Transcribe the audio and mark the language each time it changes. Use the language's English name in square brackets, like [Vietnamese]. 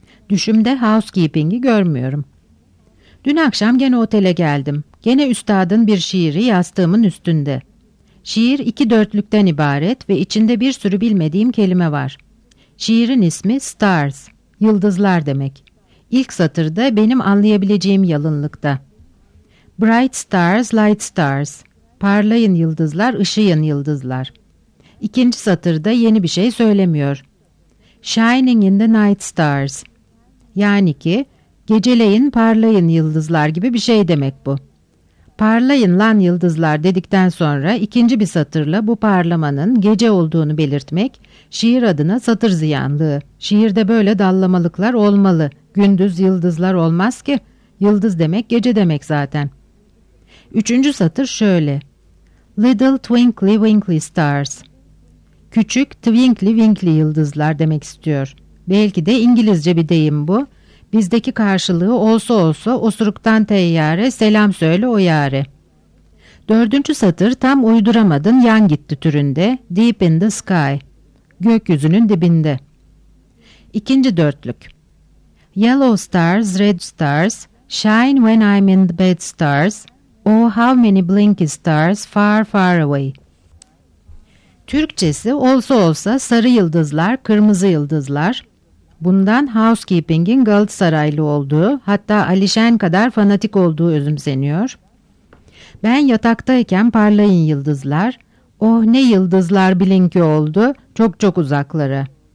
[Turkish] Düşümde housekeeping'i görmüyorum. Dün akşam gene otele geldim. Gene üstadın bir şiiri yastığımın üstünde. Şiir iki dörtlükten ibaret ve içinde bir sürü bilmediğim kelime var. Şiirin ismi Stars, yıldızlar demek. İlk satırda benim anlayabileceğim yalınlıkta. [English] Bright stars, light stars. [Turkish] Parlayın yıldızlar, ışıyın yıldızlar. İkinci satırda yeni bir şey söylemiyor. [English] Shining in the night stars. [Turkish] Yani ki geceleyin parlayın yıldızlar gibi bir şey demek bu. Parlayın lan yıldızlar dedikten sonra ikinci bir satırla bu parlamanın gece olduğunu belirtmek şiir adına satır ziyanlığı. Şiirde böyle dallamalıklar olmalı. Gündüz yıldızlar olmaz ki. Yıldız demek gece demek zaten. Üçüncü satır şöyle. [English] Little twinkly winkly stars. [Turkish] Küçük twinkly winkly yıldızlar demek istiyor. Belki de İngilizce bir deyim bu. Bizdeki karşılığı olsa olsa osuruktan teyyare, selam söyle o yare. Dördüncü satır tam uyduramadın yan gitti türünde. [English] Deep in the sky. [Turkish] Gökyüzünün dibinde. İkinci dörtlük. [English] Yellow stars, red stars, shine when I'm in the bed stars. Oh, how many blinking stars far, far away. [Turkish] Türkçesi olsa olsa sarı yıldızlar, kırmızı yıldızlar. Bundan housekeeping'in Galatasaraylı olduğu, hatta Alişen kadar fanatik olduğu özümseniyor. Ben yataktayken parlayın yıldızlar. Oh, ne yıldızlar blinki oldu, çok çok uzaklara.